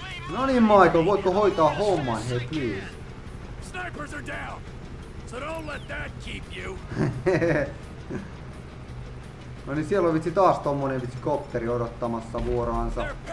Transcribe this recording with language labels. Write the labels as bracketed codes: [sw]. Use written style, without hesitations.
[fi] No niin, Michael, voitko hoitaa homman, hei please. [en] Snipers are down. So don't let that keep you. [fi] No niin, siellä on vitsi taas tommonen vitsi kopteri odottamassa vuoraansa.